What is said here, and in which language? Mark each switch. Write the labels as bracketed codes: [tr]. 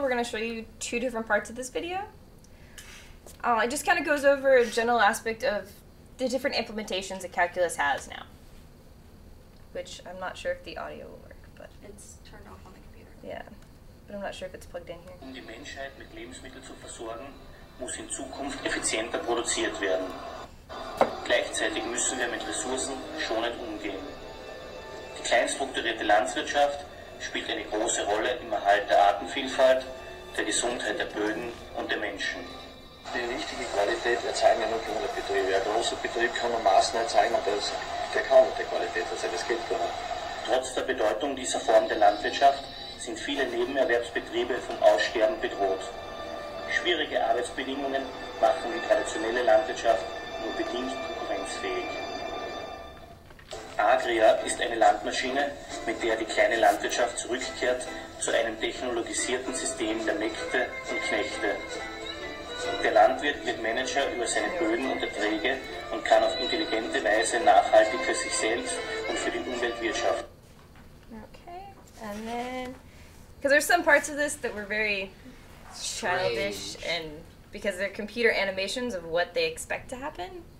[en] We're going to show you two different parts of this video. It just kind of goes over a general aspect of the different implementations that calculus has now. Which I'm not sure if the audio will work, but it's turned off on the computer. Yeah, but I'm not sure if it's plugged in here. [de] Um, die Menschheit mit Lebensmitteln zu versorgen, muss in Zukunft effizienter produziert werden. Gleichzeitig müssen wir mit Ressourcen schonend umgehen. Die kleinstrukturierte Landwirtschaft spielt eine große Rolle im Erhalt der Artenvielfalt, der Gesundheit der Böden und der Menschen. Die richtige Qualität erzeugen ja nur kleine Betriebe. Ein großer Betrieb kann nur Maßen erzeugen und das, der kann nicht die Qualität erzeugen. Das geht gar nicht. Trotz der Bedeutung dieser Form der Landwirtschaft sind viele Nebenerwerbsbetriebe vom Aussterben bedroht. Schwierige Arbeitsbedingungen machen die traditionelle Landwirtschaft nur bedingt konkurrenzfähig. Agria ist eine Landmaschine, mit der die kleine Landwirtschaft zurückkehrt zu einem technologisierten System der Mägde und Knechte. Der Landwirt wird Manager über seine Böden und Erträge und kann auf intelligente Weise nachhaltig für sich selbst und für die Umwelt wirtschaften. [en] Okay, and then, because there's some parts of this that were very childish, and because they're computer animations of what they expect to happen.